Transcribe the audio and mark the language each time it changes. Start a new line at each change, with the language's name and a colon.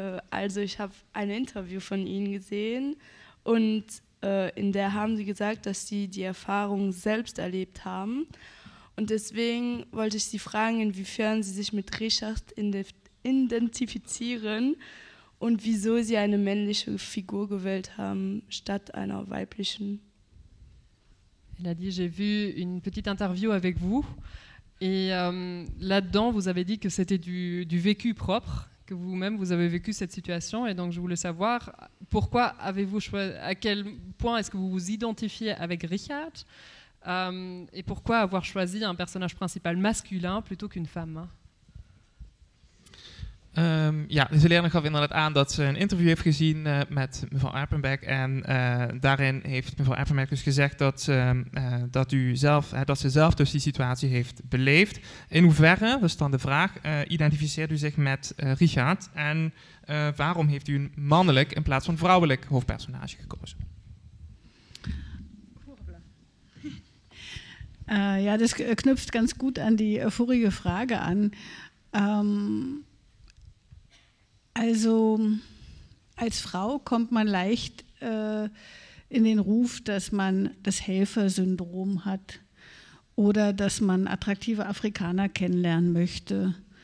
German: Also ich habe ein Interview von Ihnen gesehen und in der haben Sie gesagt, dass Sie die Erfahrung selbst erlebt haben. Und deswegen wollte ich Sie fragen, inwiefern Sie sich mit Richard identifizieren und wieso Sie eine männliche Figur gewählt haben statt einer weiblichen.
French: Elle a dit, j'ai vu une petite interview avec vous et là-dedans vous avez dit que c'était du vécu propre. Que vous-même, vous avez vécu cette situation. Et donc, je voulais savoir pourquoi avez-vous choisi, à quel point est-ce que vous vous identifiez avec Richard et pourquoi avoir choisi un personnage principal masculin plutôt qu'une femme.
Dutch: Ja, deze leerling gaf inderdaad aan dat ze een interview heeft gezien met mevrouw Erpenbeck. En daarin heeft mevrouw Erpenbeck dus gezegd dat, dat, u zelf, dat ze zelf dus die situatie heeft beleefd. In hoeverre, dat is dan de vraag, identificeert u zich met Richard? En waarom heeft u een mannelijk in plaats van vrouwelijk hoofdpersonage gekozen?
German: Ja, das knüpft ganz gut an die vorige Frage an. Also als Frau kommt man leicht in den Ruf, dass man das Helfersyndrom hat oder dass man attraktive Afrikaner kennenlernen möchte.